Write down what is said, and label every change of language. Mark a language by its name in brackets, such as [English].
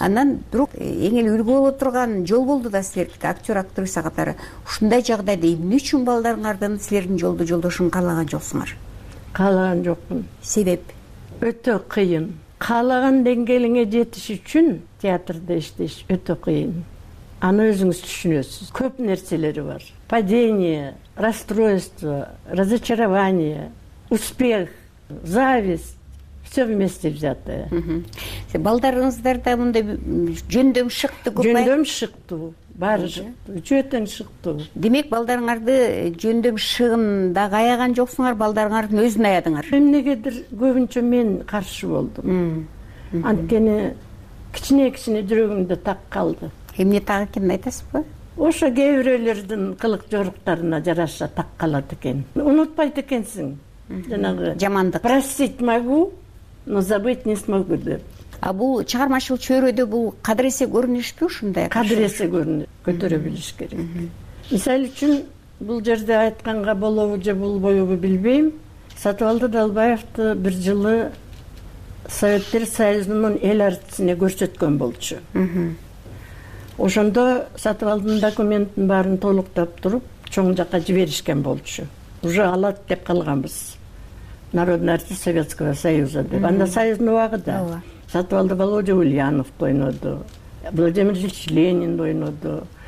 [Kyrgyz] Анан вдруг эң эле үлгү боло турган жол болду да силерге актер актриса катары. Ушундай жагдайда эмне үчүн балдарыңардын силердин жолду жолдошун каалаган жоксуңар? Каалаган жокмун. Себеп? Өтө кыйын. Каалаган деңгээлиңе жетиш үчүн театрда иштеш өтө кыйын. Аны өзүңүз түшүнөсүз. Көп нерселери бар. [Russian] Падение, расстройство, разочарование, успех, зависть. Все вместе взятое. [Kyrgyz] Балдарыңыздарда мындай жөндөм шыктуу. Жөндөм шыктуу. Баары шыктуу. Жөтөн шыктуу. Демек балдарыңарды жөндөм шыгын дагы аяган жоксуңар, балдарыңарды өзүн аядыңар. Эмнегедир көбүнчө мен каршы болдум. Анткени кичине-кичине жүрөгүмдө так калды. Эмне так экенин айтасызбы? Ошо кээ бирөөлөрдүн кылык жоруктарына жараша так калат экен. Унутпайт экенсиң. Жанагы жамандык. [Russian] Простить могу. Но забыть не смогу деп. [Kyrgyz] А бул чыгармачыл чөйрөдө бул кадыресе көрүнүштү ушундай. Кадыресе көрүнүп көтөрө билиш керек. Мисалы үчүн бул жерде айтканга болобу же болбойбу билбейм. Сатыбалды Далбаевди бир жылы Советтер Союзунун эл артистине көрсөткөн болчу. Ошондо Сатыбалдын документин баарын толуктап туруп, чоң жака жиберишкен болчу. Уже алат деп калганбыз. [Russian] Народный артист Советского Союза. Mm-hmm. Она союзная вагда. Mm-hmm. [Kyrgyz] Сатывалды Володя Ульянов ойноду. Владимир Ильич Ленин ойноду.